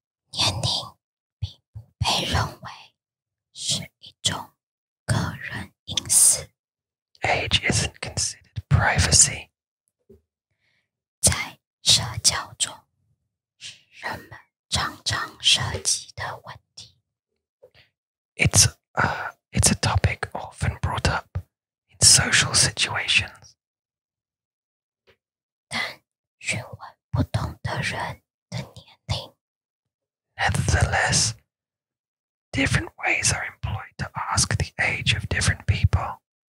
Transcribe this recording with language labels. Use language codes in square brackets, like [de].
[zh] 年龄并不被认为是一种个人隐私。 [en] Age isn't considered privacy. [zh] 在社交中是人们常常涉及的问题。 [en] It's a topic often brought up in social situations. [zh] 但询问不同的人的年龄。 [en] Nevertheless, different ways are employed to ask the age of different people.